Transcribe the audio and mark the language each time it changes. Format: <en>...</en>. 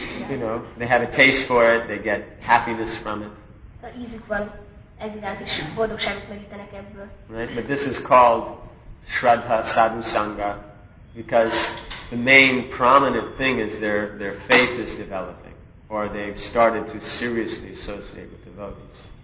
<en>You know, they have a taste for it, they get happiness from it.</en> <hu>A ízük van ez iránt, és boldogságot merítenek ebből.</hu> <en>Right? But this is called Shraddha Sadhu Sangha. because the main prominent thing is their faith is developing, or they've started to seriously associate with devotees.</en>